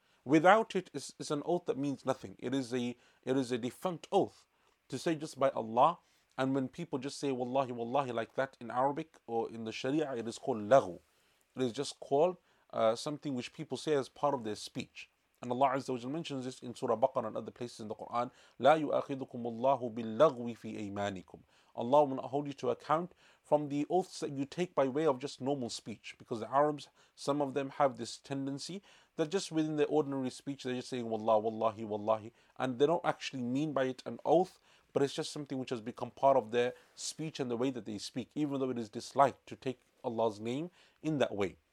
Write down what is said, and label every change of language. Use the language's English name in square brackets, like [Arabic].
[English] Without it, it's an oath that means nothing. It is a defunct oath to say just by Allah. And when people just say Wallahi, Wallahi like that in Arabic or in the Sharia, it is called laghu. It is just called something which people say as part of their speech. And Allah Azza wa Jalla mentions this in Surah Baqarah and other places in the Quran. [Arabic] لا يؤاخذكم الله باللغو في أيمانكم. [English] Allah will not hold you to account from the oaths that you take by way of just normal speech. Because the Arabs, some of them have this tendency that just within their ordinary speech, they're just saying wallah, wallahi, wallahi. And they don't actually mean by it an oath, but it's just something which has become part of their speech and the way that they speak, even though it is disliked to take Allah's name in that way.